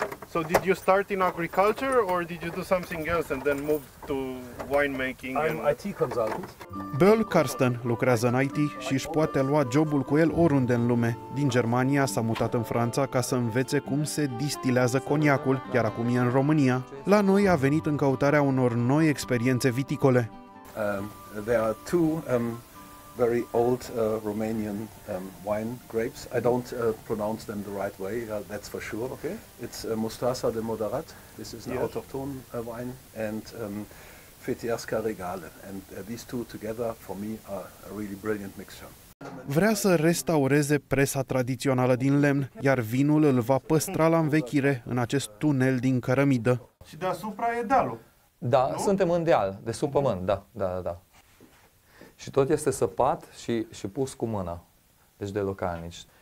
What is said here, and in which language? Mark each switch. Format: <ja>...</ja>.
<en>So did you start in agriculture or did you do something else and then move to winemaking? I'm an IT consultant.</en> <ro>Böll Karsten lucrează în IT și își poate lua jobul cu el oriunde în lume. Din Germania s-a mutat în Franța ca să învețe cum se distilează coniacul, iar acum e în România. La noi a venit în căutarea unor noi experiențe viticole.</ro> <en>There are two very old Romanian wine grapes. I don't pronounce them the right way, that's for sure. Okay. It's Mustasa de Moderat. This is an autochthone wine. And Fetiasca Regale. And these two together, for me, are a really brilliant mixture.</en> <ro>Vrea să restaureze presa tradițională din lemn, iar vinul îl va păstra la învechire în acest tunel din cărămidă. Și deasupra e dealul. Da, nu? Suntem în deal, de sub pământ, da. Și tot este săpat și pus cu mâna, deci de localnici.</ro>